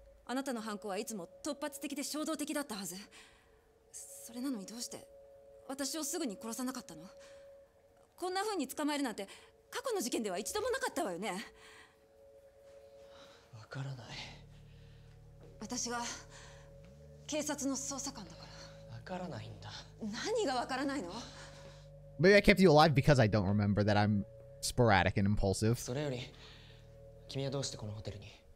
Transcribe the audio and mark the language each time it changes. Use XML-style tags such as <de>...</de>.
<ja>あなたの犯行はいつも突発的で衝動的だったはず。それなのにどうして私をすぐに殺さなかったの?こんな風に捕まえるなんて過去の事件では一度もなかったわよね。わからない。私が警察の捜査官だから。わからないんだ。何がわからないの?</ja> <en>Maybe I kept you alive because I don't remember that I'm sporadic and impulsive.</en> <ja>それより、君はどうしてこのホテルに?</ja>